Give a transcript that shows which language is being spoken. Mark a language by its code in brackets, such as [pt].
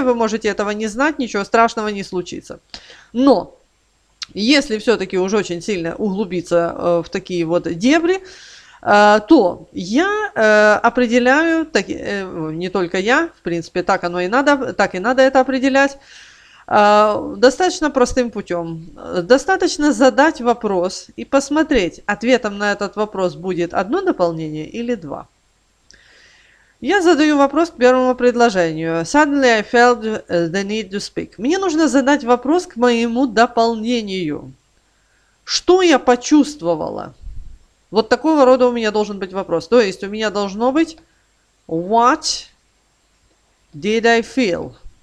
[ru] Вы можете этого не знать, ничего страшного не случится. Но если все-таки уж очень сильно углубиться в такие вот дебри, то я определяю, так, не только я, в принципе, так оно и надо, так и надо это определять, достаточно простым путем. Достаточно задать вопрос и посмотреть, ответом на этот вопрос будет одно дополнение или два. Я задаю вопрос к первому предложению. [en] Suddenly I felt the need to speak. [ru] Мне нужно задать вопрос к моему дополнению. Что я почувствовала? Вот такого рода у меня должен быть вопрос. То есть у меня должно быть [en] What did I feel?